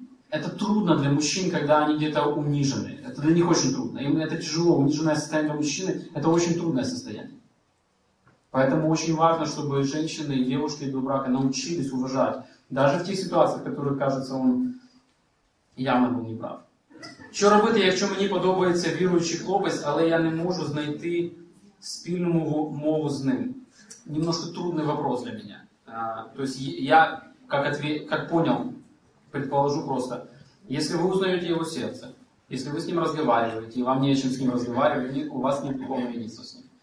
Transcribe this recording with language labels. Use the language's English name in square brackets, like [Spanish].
[Russian] Это трудно для мужчин, когда они где-то унижены. Это для них очень трудно. Им это тяжело. Униженное состояние для мужчины – это очень трудное состояние. Поэтому очень важно, чтобы женщины и девушки до брака научились уважать. Даже в тех ситуациях, в которых, кажется, он явно был неправ. [Ukrainian] Що робити, якщо мені подобається віруючий хлопець, але я не можу знайти спільну мову з ним? [Russian] Немножко трудний вопрос для мене. [Ukrainian] Тобто я, як [Russian] понял, предположу просто, если вы узнаете его сердце, если вы с ним разговариваете, и вам не о чем с ним разговаривать, у вас нет никакого единства с ним.